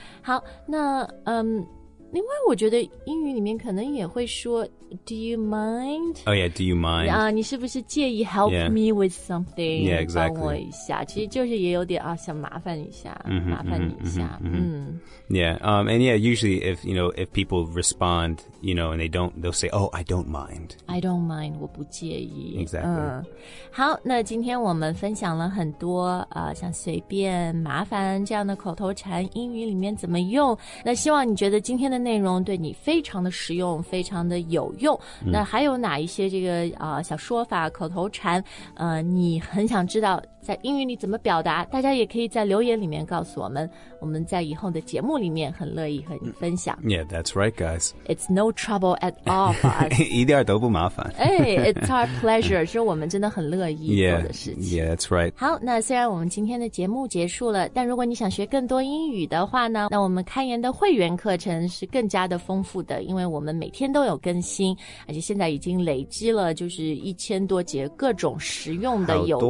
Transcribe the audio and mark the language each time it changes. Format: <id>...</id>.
<zh>好，那另外我觉得英语里面可能也会说</zh> <en>Do you mind? Oh yeah, do you mind?</en> <zh>你是不是介意</zh> <en>help、 yeah. me with something? Yeah, exactly.</en> <zh>帮我一下，其实就是也有点想麻烦一下、麻烦你一下、</zh> <en>Yeah, and yeah, usually if people respond, you know, and they'll say, oh, I don't mind,</en> <zh>我不介意。</zh> <en>Exactly.</en> <zh>好，那今天我们分享了很多像随便麻烦这样的口头禅英语里面怎么用，那希望你觉得今天的内容对你非常的实用，非常的有用。那还有哪一些这个小说法、口头禅，你很想知道在英语里怎么表达？大家也可以在留言里面告诉我们，我们在以后的节目里面很乐意和你分享。</zh> <en>Yeah, that's right, guys. It's no trouble at all for us.</en> <zh>一点都不麻烦。哎、</zh> <en>it's our pleasure.</en> <zh>是我们真的很乐意做的事情。</zh> <en>Yeah, that's right.</en> <zh>好，那虽然我们今天的节目结束了，但如果你想学更多英语的话呢，那我们开言的会员课程是更加的丰富的，因为我们每天都有更新，而且现在已经累积了就是1000多节各种实用的，有</zh>